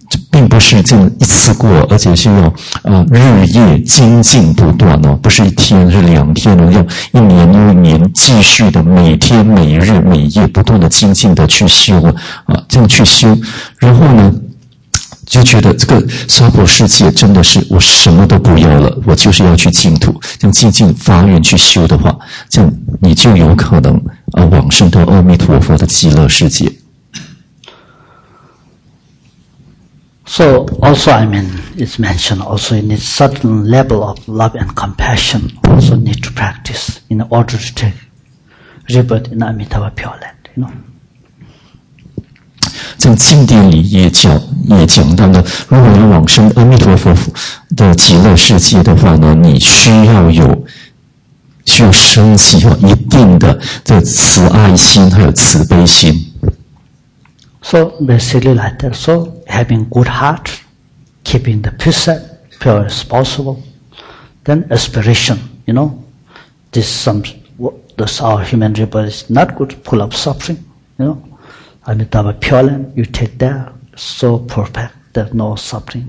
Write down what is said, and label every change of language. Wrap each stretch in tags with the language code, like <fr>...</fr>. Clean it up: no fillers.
<zh>并不是这样一次过，而且是要日夜精进不断哦，不是一天是两天哦，要一年又一年继续的每天每日每夜不断的精进的去修啊，这样去修，然后呢就觉得这个娑婆世界真的是我什么都不要了，我就是要去净土，这样静静发愿去修的话，这样你就有可能往生到阿弥陀佛的极乐世界。</zh> <en>So also, I mean, it's mentioned also you need certain level of love and compassion also need to practice in order to take rebirth in Amitabha Pure Land, you know.</en> <zh>在经典里也讲到呢，如果要往生阿弥陀佛的极乐世界的话呢，你需要升起有一定的这慈爱心还有慈悲心。</zh> <en>So basically like that. So having good heart, keeping the precept pure as possible, then aspiration, you know, this our human rebirth is not good, full of suffering, you know. Amitabha Pure Land, you take there, so perfect, there's no suffering.</en>